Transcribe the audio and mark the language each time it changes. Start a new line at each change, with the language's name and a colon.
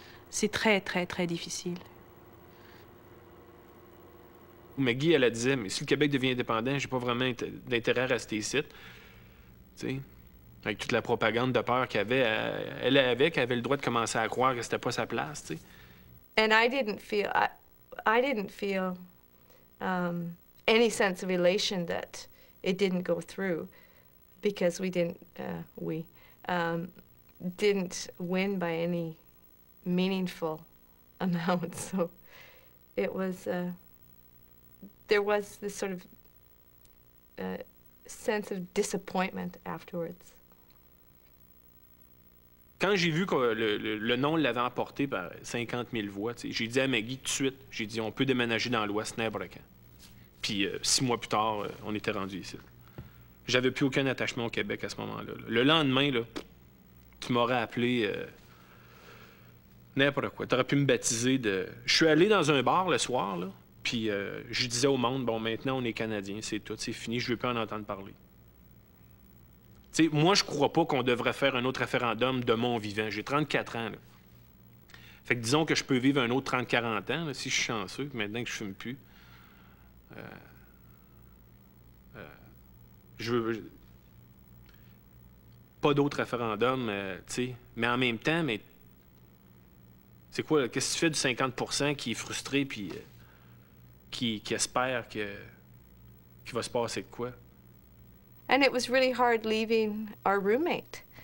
French: C'est très, très, très difficile. Maggie, elle a dit, mais si le Québec devient indépendant, j'ai pas vraiment d'intérêt à rester ici. Tu sais? Avec toute la propagande de peur qu'elle avait, elle avait le droit de commencer à croire que c'était pas sa place, tu sais.
English: And I didn't feel any sense of elation that it didn't go through, because we didn't win by any meaningful amount. So it was there was this sort of sense of disappointment afterwards.
French: Quand j'ai vu que le nom l'avait emporté par 50 000 voix, j'ai dit à Maggie tout de suite, j'ai dit, on peut déménager dans l'Ouest n'importe quand. Puis, 6 mois plus tard, on était rendu ici. J'avais plus aucun attachement au Québec à ce moment-là. Le lendemain, là, tu m'aurais appelé n'importe quoi. Tu aurais pu me baptiser de... Je suis allé dans un bar le soir, là, puis je disais au monde, bon, maintenant, on est Canadiens, c'est tout, c'est fini, je veux plus en entendre parler. T'sais, moi, je crois pas qu'on devrait faire un autre référendum de mon vivant. J'ai 34 ans, là. Fait que disons que je peux vivre un autre 30-40 ans, là, si je suis chanceux, maintenant que je fume plus. Pas d'autre référendum, t'sais. Mais en même temps, mais C'est quoi, là? Qu'est-ce que tu fais du 50% qui est frustré puis qui espère que qu'il va se passer de quoi?
English: And it was really hard leaving our roommate.